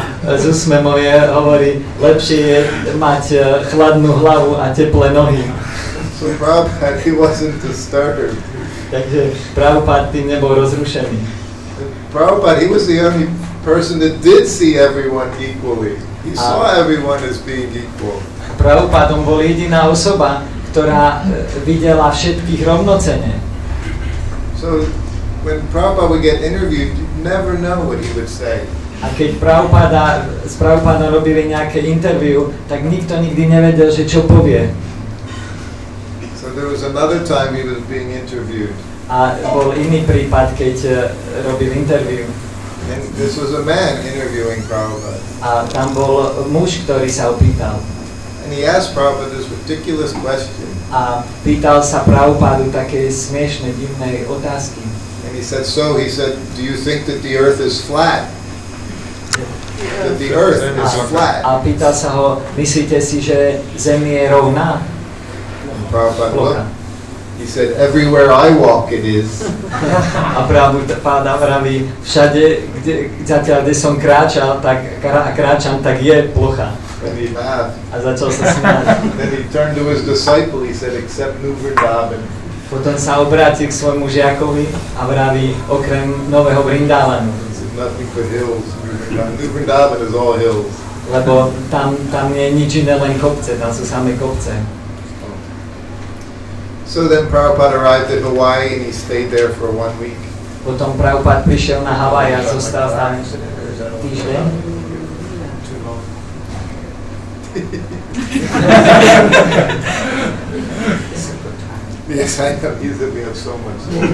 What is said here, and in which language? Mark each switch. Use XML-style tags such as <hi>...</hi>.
<sk>A z úsmemom je hovorí, lepšie je mať chladnú hlavu a teplé nohy.</sk> <en>So Prabhupada, he wasn't disturbed.</en> <sk>Takže Prabhupada tým nebol rozrušený.</sk> <en>Prabhupada, he was the only person that did see everyone equally. He saw everyone as being equal.</en> <sk>Prabhupada bol jediná osoba, ktorá videla všetkých rovnocene.</sk> <en>So, when Prabhupada would get interviewed, you never know what he would say.</en> <sk>A keď s Prabhupada robili nejaké interview, tak nikto nikdy nevedel, že čo povie.</sk> <en>There was another time he was being interviewed.</en> <sk>A bol iný prípad, keď robil interview.</sk> <en>And this was a man interviewing Prabhupada.</en> <sk>A tam bol muž, ktorý sa ho pýtal.</sk> <en>And he asked Prabhupada this ridiculous question.</en> <sk>A pýtal sa Prabhupádu také smiešne, divné otázky.</sk> <en>And he said, so he said, do you think that the earth is flat? That the earth is flat.</en> <sk>A pýtal sa ho, myslíte si, že Zem je rovná?</sk> <en>Prabhupada looked. He said, everywhere I walk it is.</en> <sk>A Prabhupada vraví, všade, kde som kráčal, tak kráčam, tak je plocha. A začal sa smáť.</sk> <en>Then he turned to his disciple, he said, except New Vrindavan.</en> <sk>Potom sa obrátil k svojmu žiakovi a vraví, okrem Nového Vrindavanu.</sk> <en>He said, nothing but hills. New Vrindavan is all hills.</en> <sk>Lebo tam nie je nič iné, len kopce, tam sú samé kopce.</sk> <en>So then Prabhupada arrived in Hawaii and he stayed there for 1 week.</en> <sk>Potom Prabhupada prišiel na Hawaii a zostal tam týždeň.</sk> <en>Yes, I know, he's that we have so much.</en>